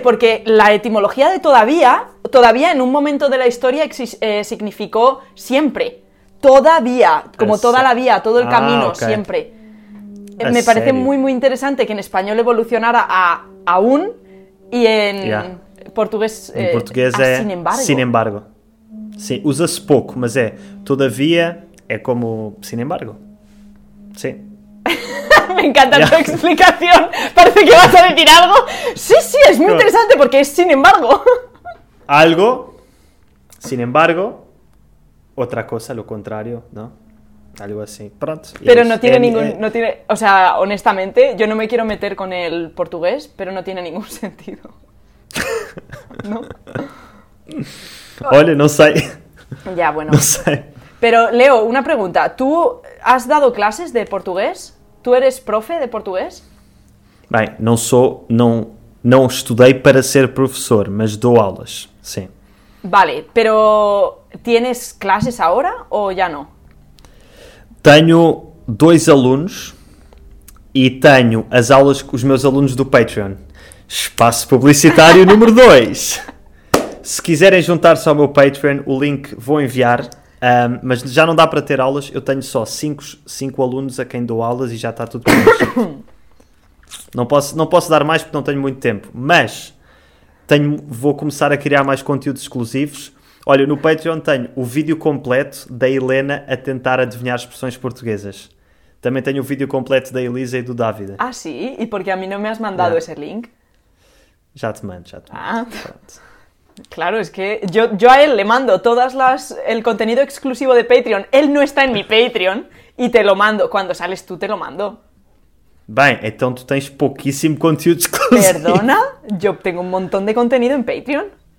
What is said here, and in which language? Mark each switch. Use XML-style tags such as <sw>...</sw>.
<es>Porque la etimología de todavía, todavía en un momento de la historia significó siempre. Todavía, como toda la vía, todo el camino, okay. Siempre. Me parece muy, muy interesante que en español evolucionara a aún y en portugués, Sin embargo. Sin embargo.</es> <pt>Sí, usa-se pouco, mas é todavía é como sin embargo.</pt> <es>Sí. Me encanta tu explicación. Parece que vas a decir algo. Sí, sí, es muy interesante porque es sin embargo. Algo, sin embargo, otra cosa, lo contrario, ¿no? Algo así. Pronto. Pero no tiene ningún. No tiene, o sea, honestamente, yo no me quiero meter con el portugués, pero no tiene ningún sentido. ¿No? Ole, no sé. Ya, bueno. No sé. Pero, Leo, una pregunta. ¿Tú has dado clases de portugués? ¿Tú eres profe de portugués?</es> <pt>Bem, não sou, não estudei para ser professor, mas dou aulas, sim.</pt> <es>Vale, pero ¿tienes clases ahora o ya no?</es> <pt>Tenho dois alunos e tenho as aulas com os meus alunos do Patreon. Espaço publicitário número 2. Se quiserem juntar-se ao meu Patreon, o link vou enviar, mas já não dá para ter aulas, eu tenho só 5 alunos a quem dou aulas e já está tudo com isso. Não posso dar mais porque não tenho muito tempo, mas vou começar a criar mais conteúdos exclusivos. Olha, no Patreon tenho o vídeo completo da Elena a tentar adivinhar expressões portuguesas. Também tenho o vídeo completo da Elisa e do David. Ah, sim? E porque a mim não me</pt> <es>has mandado</es> <pt>esse link? Já te mando. Pronto.</pt> <es>Claro, es que yo a él le mando todas las el contenido exclusivo de Patreon. Él no está en mi Patreon y te lo mando. Cuando sales tú, te lo mando. Bien, entonces tú tienes poquísimo contenido exclusivo. ¿Perdona? Yo tengo un montón de contenido en Patreon.</es>